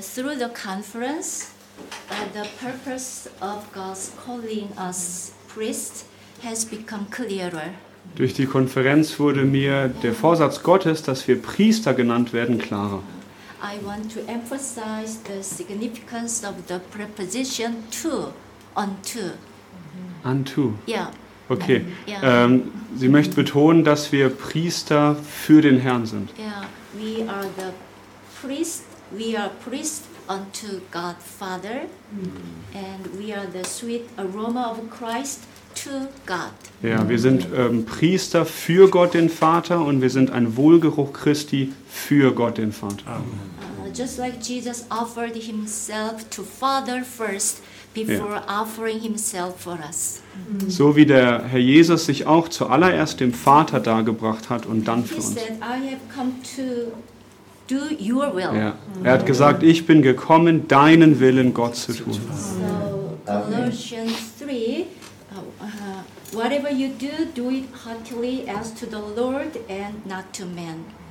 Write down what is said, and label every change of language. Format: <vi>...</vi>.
<en>Through the conference, the purpose of God's calling us priests has become clearer.</en> <de>Durch die Konferenz wurde mir der Vorsatz Gottes, dass wir Priester genannt werden, klarer.</de> <en>I want to emphasize the significance of the preposition to, unto. Unto. Yeah. Okay. Yeah.</en> <de>Sie möchte betonen, dass wir Priester für den Herrn sind.</de> <en>Yeah. We are the priest. We are priest unto God Father, and we are the sweet aroma of Christ to God.</en> <de>Ja, wir sind Priester für Gott den Vater und wir sind ein Wohlgeruch Christi für Gott den Vater.</de> <en>Amen. Just like Jesus offered himself to Father first before offering himself for us.</en> <de>So wie der Herr Jesus sich auch zuallererst dem Vater dargebracht hat und dann für uns.</de> <en>He said, I have come to do your will.</en> <de>Ja. Er hat gesagt, ich bin gekommen, deinen Willen, Gott, zu tun.</de> <en>So, Colossians 3, whatever you do, do it heartily as to the Lord and not to men.</en>